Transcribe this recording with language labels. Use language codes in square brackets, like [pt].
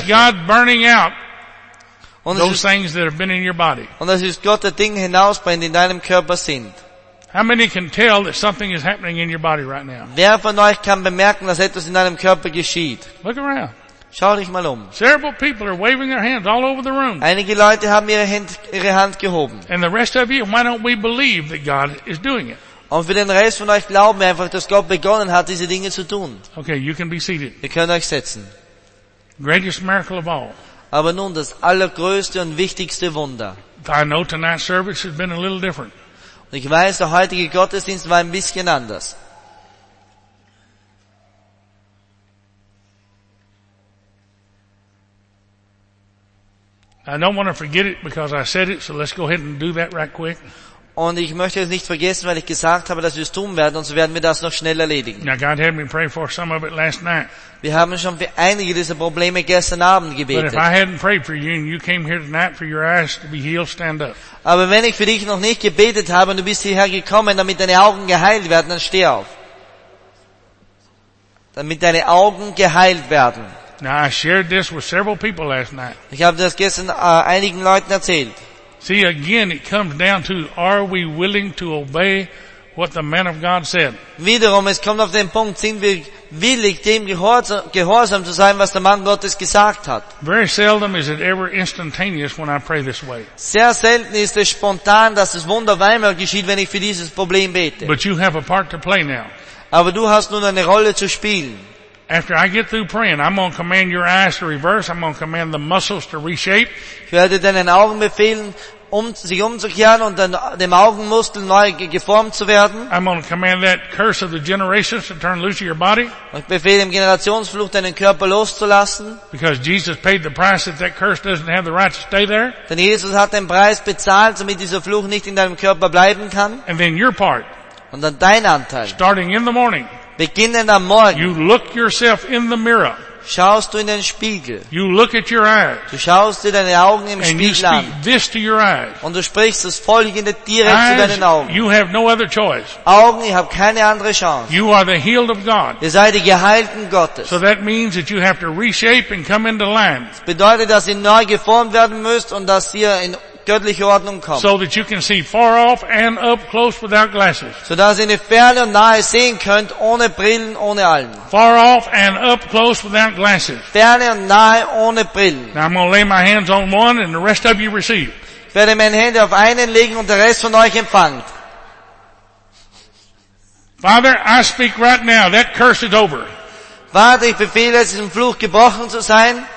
[en] And that's God burning out those things that have been in your body. [de] Und das ist Gott, der Dinge hinausbrennt, die in deinem Körper sind. [en] How many can tell that something is happening in your body right now? [de] Wer von euch kann bemerken, dass etwas in deinem Körper geschieht? [en] Look around. [de] Schau dich mal um. [en] Several people are waving their hands all over the room. [de] Einige Leute haben ihre Hand gehoben. [en] And the rest of you, why don't we believe that God is doing it? [de] Und für den Rest von euch glauben wir einfach, dass Gott begonnen hat, diese Dinge zu tun. [en] Okay, you can be seated. [de] Ihr könnt euch setzen. [en] Greatest miracle of all. [de] Aber nun das allergrößte und wichtigste Wunder. [en] I know tonight's service has been a little different. [de] Und ich weiß, der heutige Gottesdienst war ein bisschen anders. [en] I don't want to forget it because I said it, so let's go ahead and do that right quick. [de] Und ich möchte es nicht vergessen, weil ich gesagt habe, dass wir es tun werden, und so werden wir das noch schnell erledigen. [en] Now God had me pray for some of it last night. [de] Wir haben schon für einige dieser Probleme gestern Abend gebetet. [en] But if I hadn't prayed for you and you came here tonight for your eyes to be healed, stand up. [de] Aber wenn ich für dich noch nicht gebetet habe und du bist hierher gekommen, damit deine Augen geheilt werden, dann steh auf. Damit deine Augen geheilt werden. [en] Now I shared this with several people last night. [de] Ich habe das gestern einigen Leuten erzählt. [en] See, again, it comes down to: Are we willing to obey what the man of God said? [de] Wiederum, es kommt auf den Punkt: Sind wir willig, dem gehorsam zu sein, was der Mann Gottes gesagt hat? [en] Very seldom is it ever instantaneous when I pray this way. [de] Sehr selten ist es spontan, dass das Wunder einmal geschieht, wenn ich für dieses Problem bete. [en] But you have a part to play now. [de] Aber du hast nun eine Rolle zu spielen. [en] After I get through praying, I'm going to command your eyes to reverse. I'm going to command the muscles to reshape. [de] Ich werde deinen Augen befehlen, sich umzukehren und dem Augenmuskel neu geformt zu werden. [en] I'm going to command that curse of the generations to turn loose of your body. [de] Ich befehle dem Generationsfluch, deinen Körper loszulassen. [en] Because Jesus paid the price that curse doesn't have the right to stay there. [de] Denn Jesus hat den Preis bezahlt, damit dieser Fluch nicht in deinem Körper bleiben kann. [en] And then your part. [de] Und dann dein Anteil. [en] Starting in the morning. [de] beginnend am Morgen. [en] You look yourself in the mirror. [de] Schaust du in den Spiegel. [en] You look at your eyes. [de] Du schaust dir deine Augen im Spiegel an. [en] This to your eyes. [de] Und du sprichst das Folgende direkt [en] eyes, [de] zu deinen Augen. [en] You have no other choice. [de] Augen, ihr habt keine andere Chance. [en] You are the healed of God. [de] Ihr seid die Geheilten Gottes. [en] So that means that you have to reshape and come into line. [de] Das bedeutet, dass ihr neu geformt werden müsst und dass ihr in göttliche Ordnung kommt. [en] So that you can see far off and up close without glasses. [de] So dass ihr in Ferne und Nahe sehen könnt, ohne Brillen, ohne Allen. [en] Far off and up close without glasses. [de] Ferne und Nahe, ohne Brillen. [en] Now I'm going to lay my hands on one and the rest of you receive. [de] Ich werde meine Hände auf einen legen und der Rest von euch empfangt. [en] Father, I speak right now. That curse is over. [de] Vater, ich befehle es, diesen Fluch gebrochen zu sein.